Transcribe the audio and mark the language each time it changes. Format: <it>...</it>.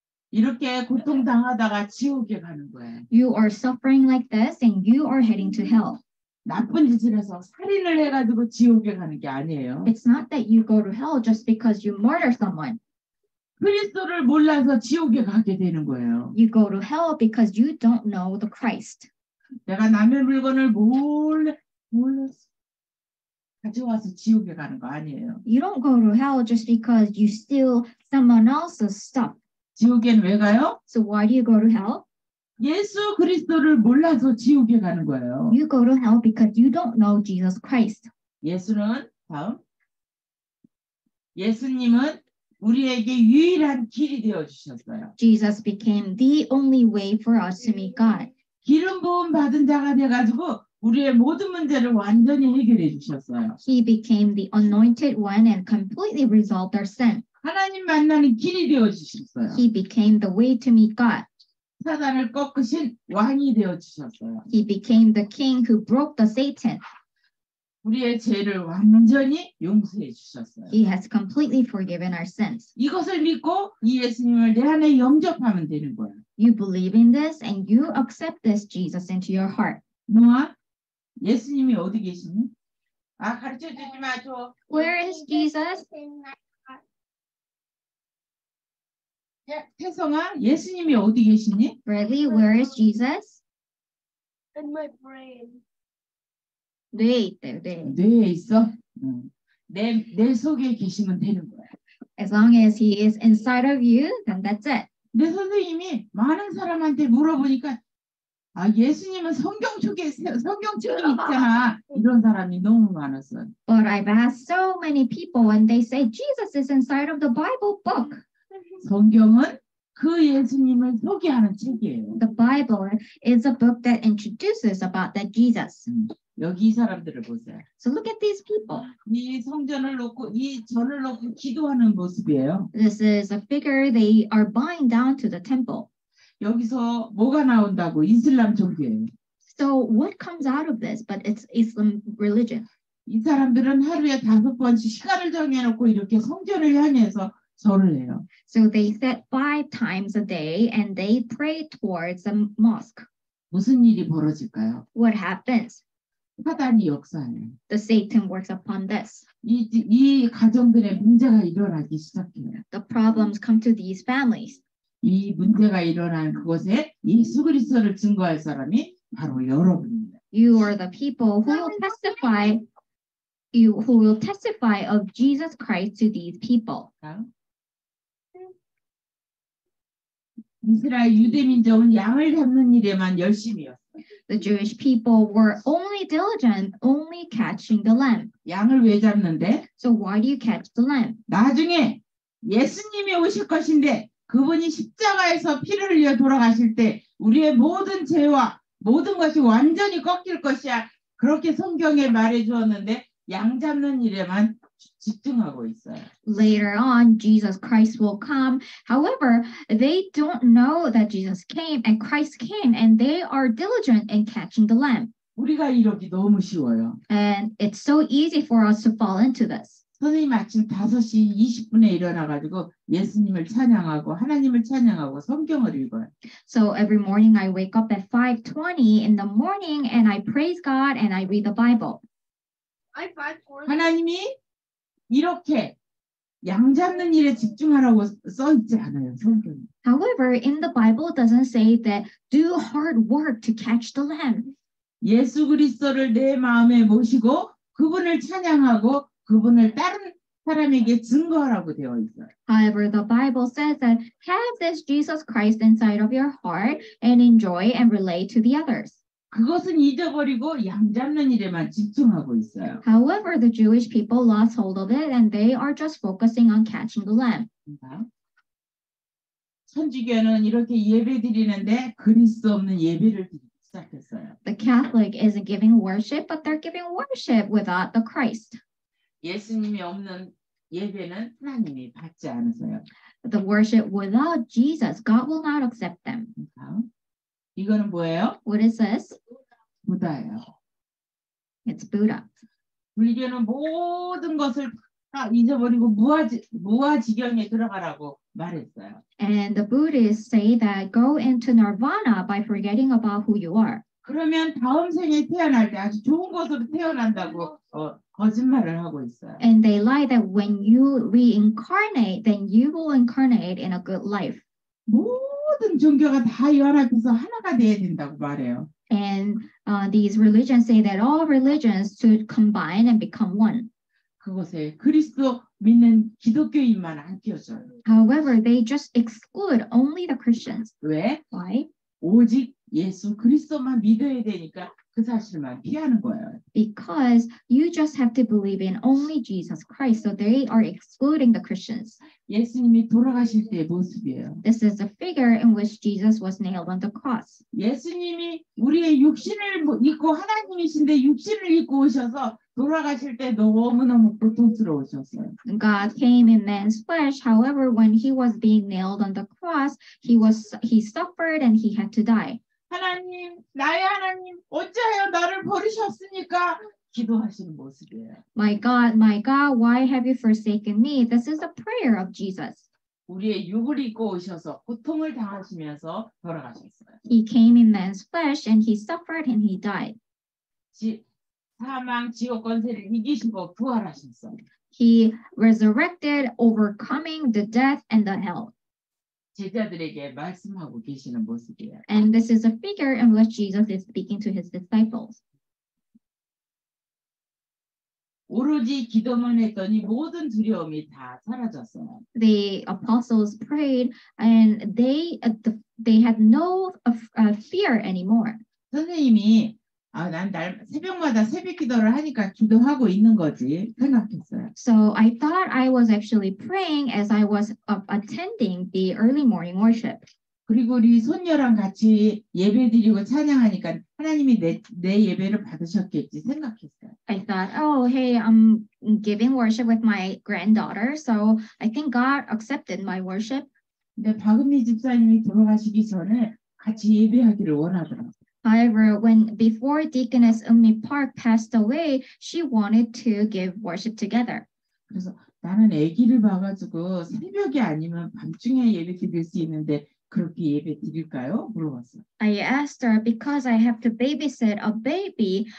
<ko>이렇게 고통당하다가 지옥에 가는 거예요.</ko> <en>You are suffering like this and you are heading to hell.</en> <ko>나쁜 짓을 해서 살인을 해가지고 지옥에 가는 게 아니에요.</ko> <en>It's not that you go to hell just because you murder someone.</en> <ko>그리스도를 몰라서 지옥에 가게 되는 거예요.</ko> <en>You go to hell because you don't know the Christ.</en> <ko>내가 남의 물건을 몰라서 가져와서 지옥에 가는 거 아니에요.</ko> <en>You don't go to hell just because you steal someone else's stuff.</en> <ko>지옥엔 왜 가요?</ko> <en>So why do you go to hell?</en> <ko>예수 그리스도를 몰라서 지옥에 가는 거예요.</ko> <en>You go to hell because you don't know Jesus Christ.</en> <ko>예수는 다음. 예수님은 우리에게 유일한 길이 되어 주셨어요.</ko> <en>Jesus became the only way for us to meet God.</en> <ko>기름 부음 받은 자가 돼 가지고 우리의 모든 문제를 완전히 해결해 주셨어요.</ko> <en>He became the anointed one and completely resolved our sin.</en> <ko>하나님 만나는 길이 되어 주셨어요.</ko> <en>He became the way to meet God.</en> <ko>사단을 꺾으신 왕이 되어 주셨어요.</ko> <en>He became the king who broke the Satan.</en> <ko>우리의 죄를 완전히 용서해 주셨어요.</ko> <en>He has completely forgiven our sins.</en> <ko>이것을 믿고 이 예수님을 내 안에 영접하면 되는 거예요.</ko> <en>You believe in this and you accept this Jesus into your heart.</en> <ko>누아, 예수님이 어디 계시니? 아, 가르쳐 주지 마, 저.</ko> <en>Where is Jesus?</en> <ko>예, 태성아, 예수님이 어디 계시니?</ko> <en>Bradley, where is Jesus? In my brain.</en> <ko>뇌에 있대요, 뇌. 뇌에 있어? 응. 내 속에 계시면 되는 거야.</ko> <en>As long as he is inside of you, then that's it.</en> <ko>내 선생님이 많은 사람한테 물어보니까 아, 예수님은 성경 속에 성경처럼 있잖아. 이런 사람이 너무 많았어.</ko> <en>But I've asked so many people and they say Jesus is inside of the Bible book.</en> <ko>성경은 그 예수님을 소개하는 책이에요.</ko> <en>The Bible is a book that introduces about that Jesus.</en> <ko>여기 사람들을 보세요.</ko> <en>So look at these people.</en> <ko>이 성전을 놓고 이 전을 놓고 기도하는 모습이에요.</ko> <en>This is a figure they are bowing down to the temple.</en> <ko>여기서 뭐가 나온다고? 이슬람 종교예요.</ko> <en>So what comes out of this? But it's Islam religion.</en> <ko>이 사람들은 하루에 다섯 번씩 시간을 정해 놓고 이렇게 성전을 향해서</ko> <en>So they set five times a day and they pray towards the mosque.</en> <ko>무슨 일이 벌어질까요?</ko> <en>What happens?</en> <ko>사단이 역사해.</ko> <en>The Satan works upon this.</en> <ko>이 가정들의 문제가 일어나기 시작해요.</ko> <en>The problems come to these families.</en> <ko>이 문제가 일어난 그곳에 예수 그리스도를 증거할 사람이 바로 여러분입니다.</ko> <en>You are the people who will testify. You who will testify of Jesus Christ to these people.</en> <ko>이스라엘 유대 민족은 양을 잡는 일에만 열심이었어.</ko> <en>The Jewish people were only diligent, only catching the lamb.</en> <ko>양을 왜 잡는데?</ko> <en>So why do you catch the lamb?</en> <ko>나중에 예수님이 오실 것인데 그분이 십자가에서 피를 흘려 돌아가실 때 우리의 모든 죄와 모든 것이 완전히 꺾일 것이야. 그렇게 성경에 말해 주었는데 양 잡는 일에만 집중하고 있어요.</ko> <en>Later on, Jesus Christ will come. However, they don't know that Jesus came and Christ came and they are diligent in catching the lamb.</en> <ko>우리가 이러기 너무 쉬워요.</ko> <en>And it's so easy for us to fall into this.</en> <ko>선생님 아침 5시 20분에 일어나가지고 예수님을 찬양하고 하나님을 찬양하고 성경을 읽어요.</ko> <en>So every morning I wake up at 5:20 in the morning and I praise God and I read the Bible.</en> <ko>하나님이 이렇게 양 잡는 일에 집중하라고 써 있지 않아요, 성경에.</ko> <en>However, in the Bible it doesn't say that do hard work to catch the lamb.</en> <ko>예수 그리스도를 내 마음에 모시고 그분을 찬양하고 그분을 다른 사람에게 증거하라고 되어 있어요.</ko> <en>However, the Bible says that have this Jesus Christ inside of your heart and enjoy and relate to the others.</en> <ko>그것은 잊어버리고 양 잡는 일에만 집중하고 있어요.</ko> <en>However, the Jewish people lost hold of it and they are just focusing on catching the lamb.</en> <ko>천주교는 이렇게 예배 드리는데 그리스도 없는 예배를 드리기 시작했어요.</ko> <en>The Catholic is giving worship, but they're giving worship without the Christ.</en> <ko>예수님이 없는 예배는 하나님이 받지 않으세요.</ko> <en>The worship without Jesus, God will not accept them.</en> <ko>이거는 뭐예요?</ko> <en>What is this?</en> <ko>부다예요.</ko> <en>It's Buddha.</en> <ko>불교는 모든 것을 다 잊어버리고 무아지경에 들어가라고 말했어요.</ko> <en>And the Buddhists say that go into nirvana by forgetting about who you are.</en> <ko>그러면 다음 생에 태어날 때 아주 좋은 것으로 태어난다고 거짓말을 하고 있어요.</ko> <en>And they lie that when you reincarnate, then you will incarnate in a good life.</en> <ko>모든 종교가 다 연합해서 하나가 되어야 된다고 말해요.</ko> <en>And these religions say that all religions should combine and become one.</en> <ko>그곳에 그리스도 믿는 기독교인만 안 키워줘요.</ko> <en>However, they just exclude only the Christians.</en> <ko>왜?</ko> <en>Why?</en> <ko>오직 예수 그리스도만 믿어야 되니까 그 사실만 피하는 거예요.</ko> <en>Because you just have to believe in only Jesus Christ, so they are excluding the Christians.</en> <ko>예수님이 돌아가실 때의 모습이에요.</ko> <en>This is a figure in which Jesus was nailed on the cross.</en> <ko>예수님이 우리의 육신을 입고 하나님이신데 육신을 입고 오셔서 돌아가실 때 너무너무 고통스러우셨어요.</ko> <en>God came in man's flesh. However, when he was being nailed on the cross, he suffered and he had to die.</en> <ko>하나님, 나의 하나님, 어찌하여 나를 버리셨습니까? 기도하시는 모습이에요.</ko> <en>My God, why have you forsaken me? This is a prayer of Jesus.</en> <ko>우리의 육을 입고 오셔서 고통을 당하시면서 돌아가셨어요.</ko> <en>He came in man's flesh and he suffered and he died.</en> <ko>사망 지옥 권세를 이기시고 부활하셨어.</ko> <en>He resurrected, overcoming the death and the hell.</en> <ko>제자들에게 말씀하고 계시는 모습이에요.</ko> <en>And this is a figure in which Jesus is speaking to his disciples.</en> <ko>오로지 기도만 했더니 모든 두려움이 다 사라졌어요.</ko> <en>The apostles prayed and they had no fear anymore.</en> <ko>선생님이 아, 난 날 새벽마다 새벽 기도를 하니까 기도하고 있는 거지 생각했어요.</ko> <en>So I thought I was actually praying as I was attending the early morning worship.</en> <ko>그리고 우리 손녀랑 같이 예배 드리고 찬양하니까 하나님이 내 예배를 받으셨겠지 생각했어요.</ko> <en>I thought, oh, hey, I'm giving worship with my granddaughter, so I think God accepted my worship.</en> <ko>근데 박은미 집사님이 돌아가시기 전에 같이 예배하기를 원하더라고요.</ko> <en>However, when before Deaconess Umi Park passed away, she wanted to give worship together.</en> <ko>그래서 나는 아기를 봐가지고 새벽이 아니면 밤중에 예배 드릴 수 있는데 그렇게 예배 드릴까요? 물어봤어.</ko> <en>I asked her because I have to babysit a baby.</en>